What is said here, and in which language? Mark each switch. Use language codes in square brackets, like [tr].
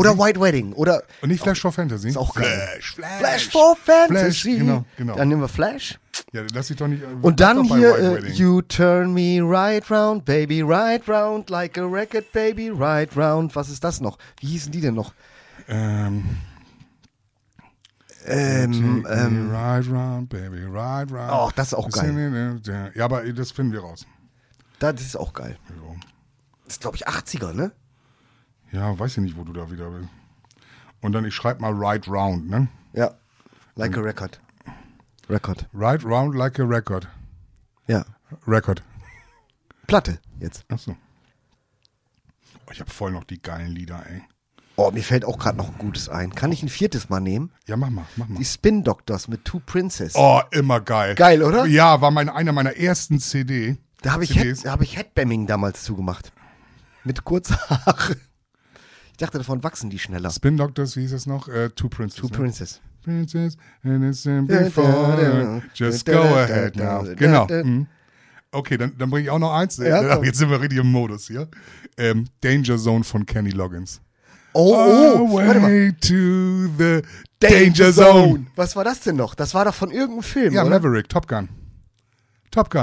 [de] Oder White Wedding. Oder und nicht Flash for Fantasy. Ist auch geil. Flash for Fantasy. Flash, genau. Dann nehmen wir Flash. Ja, lass dich doch nicht. Und dann hier, [en] you turn me right round, baby, right round, like a record, baby, right round. [de] Was ist das noch? Wie hießen die denn noch? [en] Right round, baby, right round. [de] Ach, das ist auch geil. Ja, aber das finden wir raus. Das ist auch geil. Das ist, glaube ich, 80er, ne? Ja, weiß ich nicht, wo du da wieder bist. Und dann, ich schreibe mal [en] right round, [de] ne? Ja, [en] like a record. Record. Right round like a record. [de] Ja. [en] Record. [de] Platte, jetzt. Ach so. Oh, ich habe voll noch die geilen Lieder, ey. Oh, mir fällt auch gerade noch ein gutes ein. Kann ich ein viertes Mal nehmen? Ja, mach mal. Die Spin Doctors mit Two Princes. Oh, immer geil. Geil, oder? Ja, war einer meiner ersten CD. Da habe ich, Headbamming damals zugemacht. Mit Kurzhaare. Ich dachte, davon wachsen die schneller. Spin Doctors, wie hieß es noch? [en] Two Princes. Two Princes. Princess, innocent before, just go ahead now. [de] Genau. Okay, dann bringe ich auch noch eins. Ja, jetzt sind wir richtig im Modus hier. Danger Zone von Kenny Loggins. Oh, warte mal. [en] Away to the Danger Zone. [de] Was war das denn noch? Das war doch von irgendeinem Film, ja, oder? Maverick, Top Gun. Top Gun.